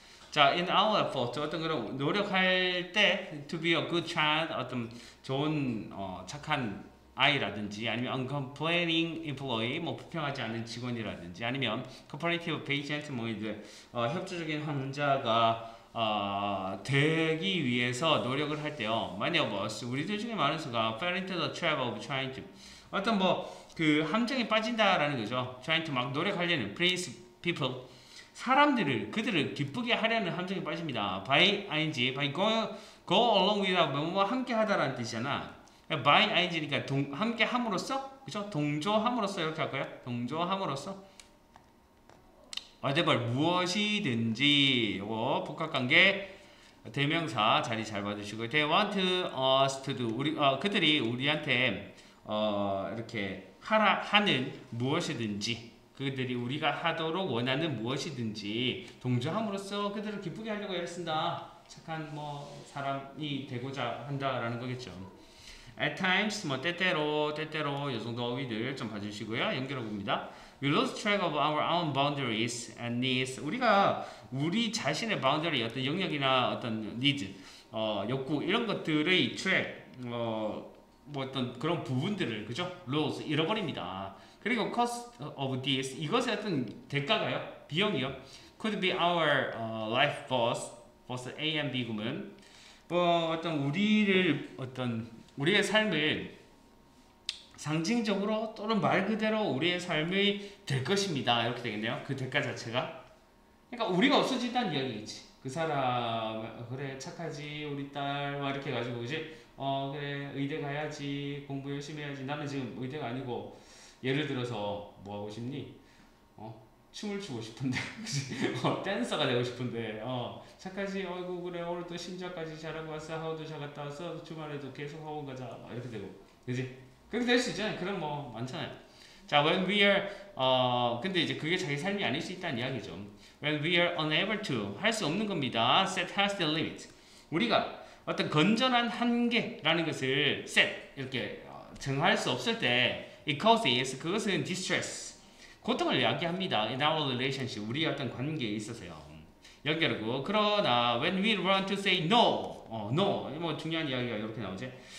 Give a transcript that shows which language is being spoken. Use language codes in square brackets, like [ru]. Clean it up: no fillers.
[ko] 자, [en] in our effort, [ko] 어떤 그런 노력할 때 [en] to be a good child, [ko] 어떤 좋은 착한 아이라든지 아니면 [en] uncomplaining employee, [ko] 뭐 불평하지 않는 직원이라든지 아니면 [en] cooperative patient, [ko] 뭐 이제 협조적인 환자가 되기 위해서 노력을 할 때요. [en] Many of us, [ko] 우리들 중에 많은 수가 [en] fell into the trap of trying to [ko] 어떤 뭐 그 함정에 빠진다라는 거죠. [en] Trying to [ko] 막 노력하려는 [en] please people [ko] 사람들을 그들을 기쁘게 하려는 함정에 빠집니다. [en] By ing, by go along with [ko] 뭐 함께 하다라는 뜻이잖아. By ing니까 함께 함으로써 그죠? 동조함으로써 이렇게 할까요? 동조함으로써 whatever 무엇이든지 이거 복합관계 대명사 자리 잘 봐주시고 [en] they want us to do [ko] 우리 그들이 우리한테 이렇게 하라 하는 무엇이든지 그들이 우리가 하도록 원하는 무엇이든지 동조함으로써 그들을 기쁘게 하려고 애를 쓴다. 착한 뭐 사람이 되고자 한다라는 거겠죠. [en] At times [ko] 뭐 때때로 요 정도 어휘들 좀 봐주시고요. 연결해 봅니다. [en] We lose track of our own boundaries and needs. [ko] 우리가 우리 자신의 boundary 어떤 영역이나 어떤 needs 욕구 이런 것들의 track 뭐 어떤 그런 부분들을 그죠? lose 잃어버립니다. 그리고 [en] cost of this [ko] 이것의 어떤 대가가요? 비용이요? [en] Could be our life force force A and B [ko] 구문 뭐 어떤 우리를 어떤 우리의 삶을 상징적으로 또는 말 그대로 우리의 삶이 될 것입니다. 이렇게 되겠네요. 그 대가 자체가. 그러니까 우리가 없어진다는 이야기겠지. 그 사람 그래 착하지 우리 딸 막 이렇게 가지고 이제 그래 의대 가야지 공부 열심히 해야지 나는 지금 의대가 아니고 예를 들어서 뭐 하고 싶니? 춤을 추고 싶은데 그치? 댄서가 되고 싶은데 착하지 아이고 그래 오늘도 신작까지 잘하고 왔어 하우도 잘 갔다 왔어 주말에도 계속 하고 가자 막 이렇게 되고 그치? 그렇게 될 수 있잖아요. 그럼 뭐 많잖아요. 자, [en] when we are [ko] 근데 이제 그게 자기 삶이 아닐 수 있다는 이야기죠. [en] When we are unable to [ko] 할 수 없는 겁니다. [en] Set healthy limit. [ko] 우리가 어떤 건전한 한계라는 것을 set 이렇게 정할 수 없을 때 [en] it causes [ko] 그것은 distress 고통을 야기합니다. [en] In our relationship [ko] 우리의 어떤 관계에 있어서요. 연결하고 그러나 [en] when we learn to say no, no [ko] 뭐 중요한 이야기가 이렇게 나오죠.